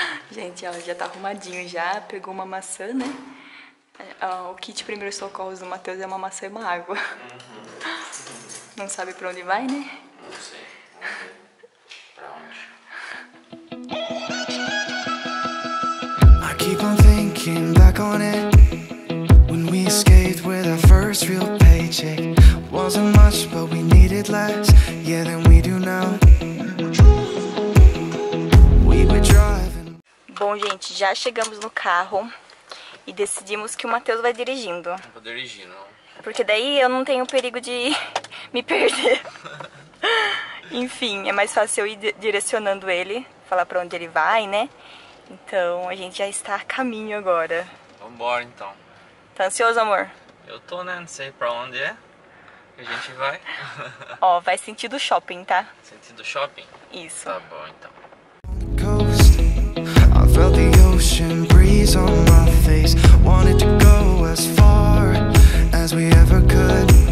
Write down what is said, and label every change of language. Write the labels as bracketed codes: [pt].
[pt] Gente, ela já tá arrumadinho já. Pegou uma maçã, né? O kit primeiros socorros do Matheus é uma maçã e uma água. Não sabe pra onde vai, né? Não sei. Vamos ver. Pra onde? [en] keep on thinking back on it. When we skated with our first real paycheck, wasn't much, but we needed less. Yeah, than we do now. We were driving. [pt] Bom, gente, já chegamos no carro e decidimos que o Matheus vai dirigindo. Não vou dirigir, não. Porque daí eu não tenho perigo de me perder. Enfim, é mais fácil eu ir direcionando ele, falar pra onde ele vai, né? Então a gente já está a caminho agora. Vambora então. Tá ansioso, amor? Eu tô, né? Não sei pra onde é que a gente vai. Ó, vai sentido shopping, tá? Sentido shopping? Isso. Tá bom então. [en] Coast, I felt the ocean breeze on my face. Wanted to go as far as we ever could.